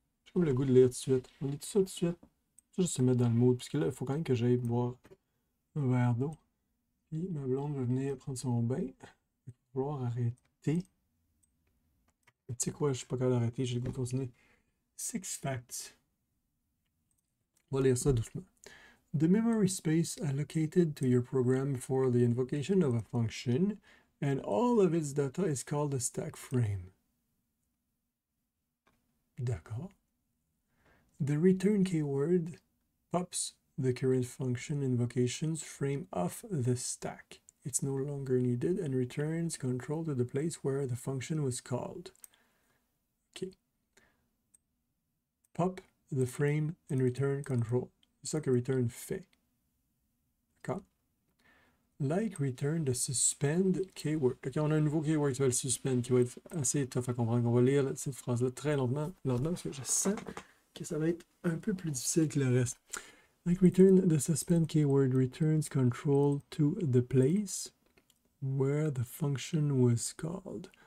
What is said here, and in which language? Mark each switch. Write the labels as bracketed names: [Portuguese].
[French] J'ai comme le goût de lire tout de suite. On lit tout ça tout de suite. Juste se mettre dans le mood, puisque là, il faut quand même que j'aille boire un verre d'eau. Puis ma blonde va venir prendre son bain. Il va falloir arrêter. Tu sais quoi, je suis pas capable d'arrêter, j'ai le goût de continuer. [English] Six facts. [French] On va lire ça doucement. [English] The memory space allocated to your program for the invocation of a function. And all of its data is called a stack frame. [French] D'accord. [English] The return keyword pops the current function invocation's frame off the stack. It's no longer needed and returns control to the place where the function was called. OK. Pop the frame and return control. [French] C'est ça que return fait. D'accord. [English] Like return the suspend keyword. [French] Ok, on a un nouveau keyword qui s'appelle suspend qui va être assez tough à comprendre. On va lire cette phrase-là très lentement, lentement parce que je sens que ça va être un peu plus difficile que le reste. [English] Like return the suspend keyword returns control to the place where the function was called.